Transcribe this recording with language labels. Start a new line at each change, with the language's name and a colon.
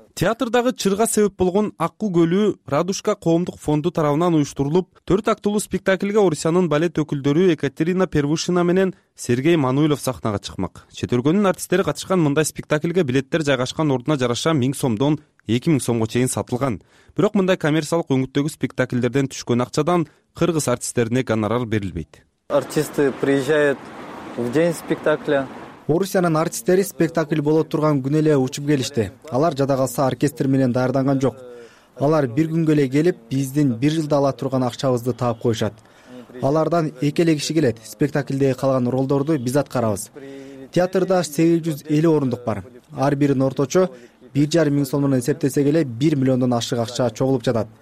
Kyrgyz: Театрдагы чырга себеп болгон Акуу көлү Радужка коомдук фонду тарабынан уюштурулуп, 4 актылуу спектаклге Орусиянын балет өкүлдөрү Екатерина Первушина менен Сергей Мануилов сахнага чыкмак. Чет өлкөнүн артисттери катышкан мындай спектаклге билеттер жайгашкан ордуна жараша 1 000 сомдон 2 000 сомго чейин сатылган. Бирок мындай коммерциялык өңүттөгү спектаклдерден түшкөн акчадан кыргыз артисттерине гонорар берилбейт.
Russian: Артисты приезжают в день спектакля.
Kyrgyz: Орусиянын артисттери спектакль боло турган күн эле учуп келишти. Алар жада калса оркестр менен даярданган жок. Алар бир күнгө эле келип, биздин бир жылда ала турган акчабызды таап коюшат. Алардан 2 эле киши келет. Спектаклде калган ролдорду биз аткарабыз. Театрда 850 орундук бар. Ар бирин орточо 1,5 000 сом менен эсептесек эле 1 000 000дон ашык акча чогулуп жатат.